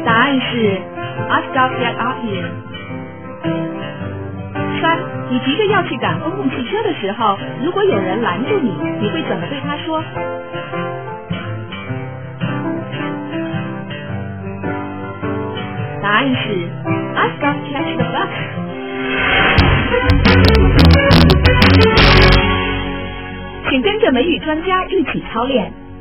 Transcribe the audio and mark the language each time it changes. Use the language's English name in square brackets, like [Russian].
[Chinese] 案是 [English] I've got to get out here。 [Chinese] 三，你急着要去赶公共汽车的时候，如果有人拦住你，你会怎么对他说？答案是 [English] I've got to catch the bus。 [Chinese] 请跟着美语专家一起操练。